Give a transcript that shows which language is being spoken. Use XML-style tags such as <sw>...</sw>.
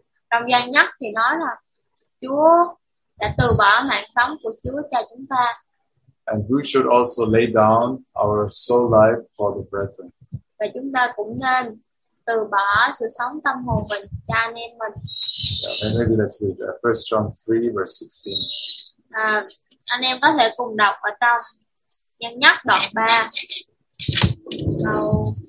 <vi>Trong gian nhất thì nói là Chúa đã từ bỏ mạng sống của Chúa cho chúng ta.</vi> <en>And we should also lay down our soul life for the brethren.</en> <vi>Và chúng ta cũng nên từ bỏ sự sống tâm hồn mình cho anh em mình.</vi> <en>Yeah, and maybe let's read First John 3 verse 16.</en> <vi>Anh em có thể cùng đọc ở trong nhân nhất đoạn 3 câu</vi>